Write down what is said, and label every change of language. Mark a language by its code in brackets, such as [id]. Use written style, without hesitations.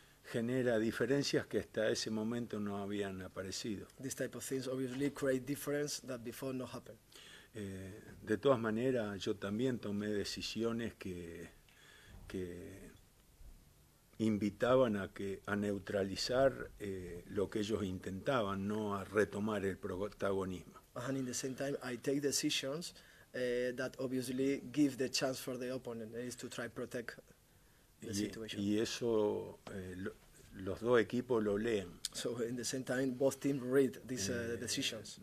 [es] genera diferencias que hasta ese momento no habían aparecido. [en] This type of things obviously create difference that before no happened. [es] De todas maneras, yo también tomé decisiones que invitaban a neutralizar lo que ellos intentaban, no a retomar el protagonismo. [en] And in the same time, I take decisions that obviously give the chance for the opponent is to try protect the situation. [es] Y eso los dos equipos lo leen. [en] So in the same time, both teams read these decisions.